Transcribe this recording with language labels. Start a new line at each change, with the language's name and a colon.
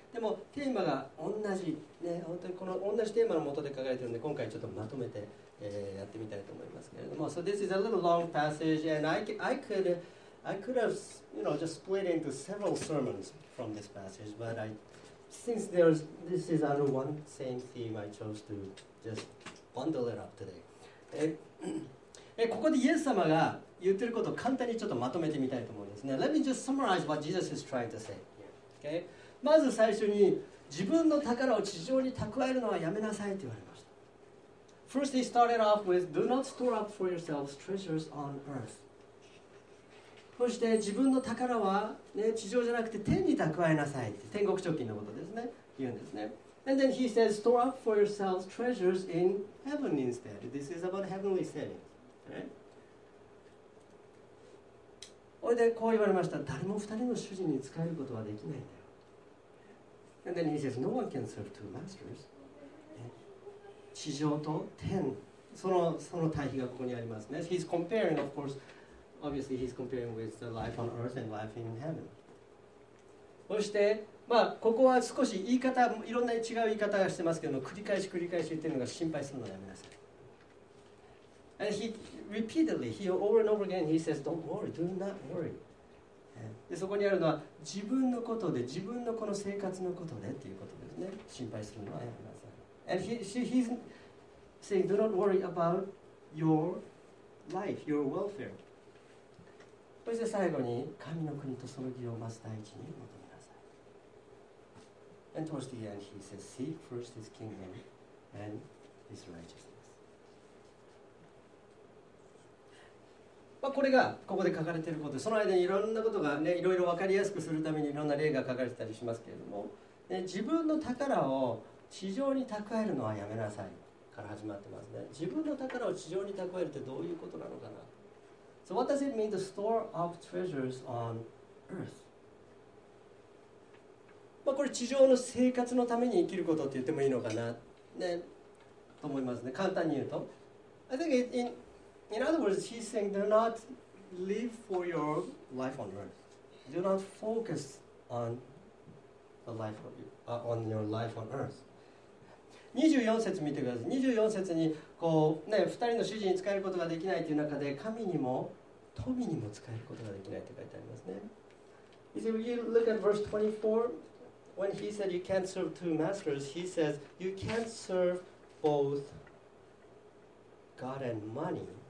Japanese: でもテーマが同じ、ね、本当にこの同じテーマの下で書かれているので、今回ちょっとまとめて、やってみたいと思いますけれども。
English: So this is a little long passage, and I could have, you know, just split into several sermons from this passage, but I, since there's, this is under one same theme, I chose to just bundle it up today.
Japanese: ここでイエス様が言ってることを簡単にちょっとまとめてみたいと思うんですね。
English: Let me just summarize what Jesus is trying to say. Okay?
Japanese: まず最初に自分の宝を地上に蓄えるのはやめなさいと言われました。
English: First, he started off with, "Do not store up for yourselves treasures on earth."
Japanese: そして自分の宝は、ね、地上じゃなくて天に蓄えなさいって、天国貯金のことですね、言うんですね。
English: And then he says, "Store up for yourselves treasures in heaven instead." This is about heavenly savings.
Japanese: それでこう言われました。誰も二人の主人に仕えることはできないんだよ。
English: And then he says, no one can serve two masters.
Japanese: 地上と天、その対比がここにありますね。
English: He's comparing, of course, obviously he's comparing with the life on earth and life in heaven.
Japanese: そして、まあ、ここは少し言い方、いろんな違う言い方がしてますけども、繰り返し繰り返し言ってるのが心配するのはやめなさい。
English: And he repeatedly, he over and over again, he says, "Don't worry, do not worry."
Japanese: で、そこにあるのは自分のことで、自分のこの生活のことでということですね。心配するのはやめなさい。
English: And he's saying, "Do not worry about your life, your welfare."
Japanese: そして最後に神の国とその義をまず第一に求めなさい。
English: And towards the end, he says, "Seek first His kingdom and His righteousness."
Japanese: まあ、これがここで書かれていることで、その間にいろんなことがね、いろいろ分かりやすくするためにいろんな例が書かれてたりしますけれども、ね、自分の宝を地上に蓄えるのはやめなさいから始まってますね。自分の宝を地上に蓄えるってどういうことなのかな。
English: So what does it mean to store up treasures on earth?
Japanese: まあこれ地上の生活のために生きることって言ってもいいのかな、ね、と思いますね。簡単に言うと。
English: I think In other words, he's saying, do not live for your life on earth. Do not focus on the life of you, on your life on earth.
Japanese: 24節見てください。 24節にこう、ね、2人の主人に使えることができないという中で、神にも富にも使えることができないと書いてありますね。
English: He said, when you look at verse 24, when he said you can't serve two masters, he says you can't serve both God and money.